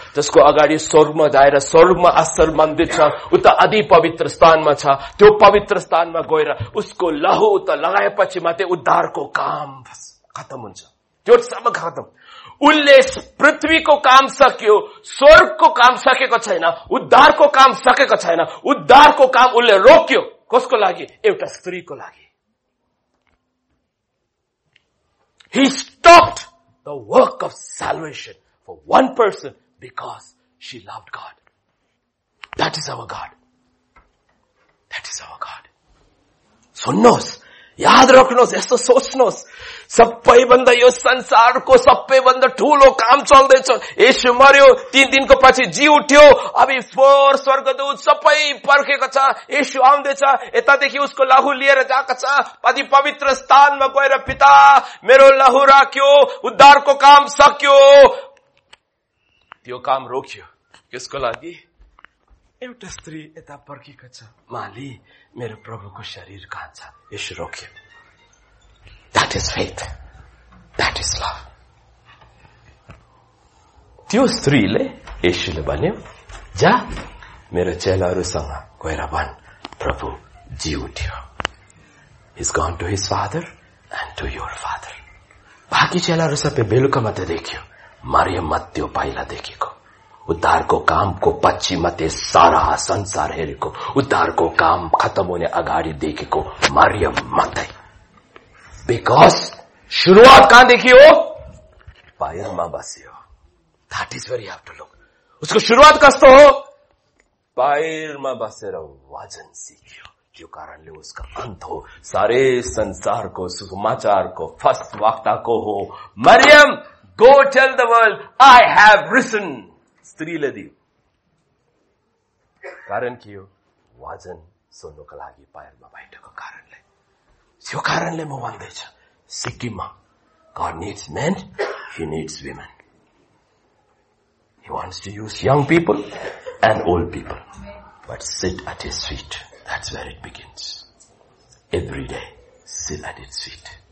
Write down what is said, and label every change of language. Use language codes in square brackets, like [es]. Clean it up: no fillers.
[ne] जसको अगाडि स्वर्गमा जाएर स्वर्गमा असल मन्दिर छ, उता अधि पवित्र स्थानमा छ, त्यो पवित्र स्थानमा गएर उसको लहु उता लगाएपछि मात्रै उद्धारको काम खतम हुन्छ. त्यो सब खतम. उसले पृथ्वीको काम सक्यो, स्वर्गको काम सकेको छैन, उद्धारको काम सकेको छैन. उद्धारको काम उसले रोक्यो कसको लागि? एउटा स्त्रीको लागि. [en] He stopped the work of salvation for one person because she loved God. That is our God. That is our God. [ne] सुन्नुहोस्, याद राख्नुहोस्, यस्तो सोच्नुहोस्, सबैभन्दा यो संसारको सबैभन्दा ठूलो काम चल्दैछ. यीशु मर्यो, 3 दिनको पछि जी उठ्यो, अभी फोर स्वर्गदूत सबै पर्खेको छ. यीशु आउँदैछ, यतादेखि उसको लहु लिएर गएको छ, अति पवित्र स्थानमा गएर पिता मेरो लहु राख्यो, उद्धारको काम सक्यो. त्यो काम रोक्यो कसको लागि? एउटा स्त्री यता पर्खेको छ, माली मेरो प्रभुको शरीर कहाँ छ? यीशु रोक्यो. [en] That is faith. That is love. [ne] त्यो स्त्रीले यीशुले भन्यो, जा मेरो चेलाहरूसँग गएर भन् प्रभु जी उठ्यो. [en] He's gone to his father and to your father. [ne] बाँकी चेलाहरू सबै बेलुका मात्रै देख्यो, मरियम मा त्यो पहिला देखेको. उद्धारको कामको पछि मात्रै सारा संसार हेरेको, उद्धारको काम खतम हुने अगाडि देखेको मरियम मात्रै. बिकज शुरुआत कहाँ देखियो? पायलमा बस्यो. [en] That is where you have to look. [ne] उसको शुरुआत कस्तो हो? पायलमा बसेर वजन सिक्यो. त्यो कारणले उसका अन्त हो, सारे संसारको सुसमाचारको फर्स्ट वक्ताको हो. [en] मरियम go tell the world I have risen. [ne] स्त्रीले दियो, कारण के हो? वजन सुन्नुको लागि पायलमा बैठेको कारण. त्यो कारणले म भन्दैछु, सिक्किममा [en] God needs men, he needs women. He wants to use young people and old people. But sit at his feet. That's where it begins. Every day, sit at his feet.